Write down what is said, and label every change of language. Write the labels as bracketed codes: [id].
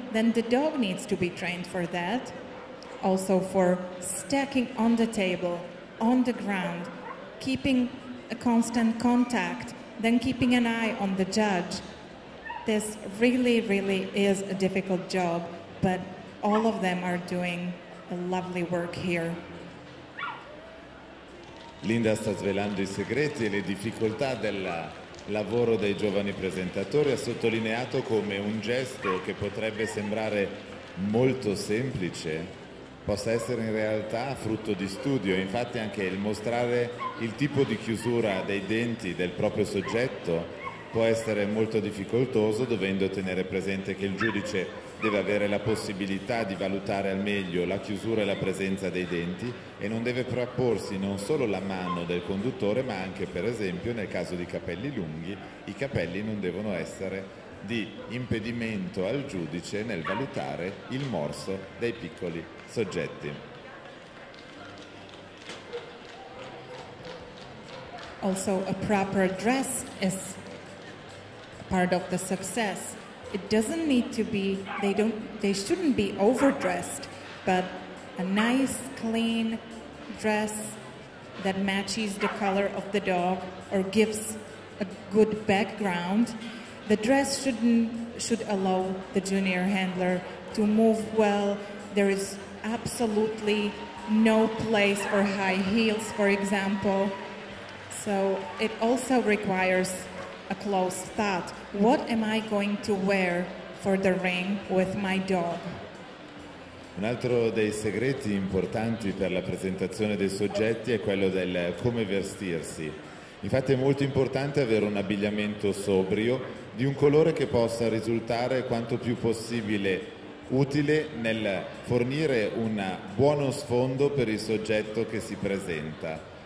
[en] Then the dog needs to be trained for that. Also for stacking on the table, on the ground, keeping a constant contact, then keeping an eye on the judge. This really, really is a difficult job, but all of them are doing a lovely work here. [it] Linda sta svelando i segreti e le difficoltà del lavoro dei giovani presentatori. Ha sottolineato come un gesto che potrebbe sembrare molto semplice possa essere in realtà frutto di studio. Infatti anche il mostrare il tipo di chiusura dei denti del proprio soggetto può essere molto difficoltoso, dovendo tenere presente che il giudice deve avere la possibilità di valutare al meglio la chiusura e la presenza dei denti e non deve frapporsi non solo la mano del conduttore, ma anche, per esempio, nel caso di capelli lunghi, i capelli non devono essere di impedimento al giudice nel valutare il morso dei piccoli soggetti. [en] Also, a proper dress is part of the success. It doesn't need to be, they shouldn't be overdressed, but a nice clean dress that matches the color of the dog or gives a good background. The dress should allow the junior handler to move well. There is absolutely no place for high heels, for example. So it also requires a close thought. What am I going to wear for the ring with my dog? [it] Un altro dei segreti importanti per la presentazione dei soggetti è quello del come vestirsi. Infatti è molto importante avere un abbigliamento sobrio di un colore che possa risultare quanto più possibile utile nel fornire un buono sfondo per il soggetto che si presenta.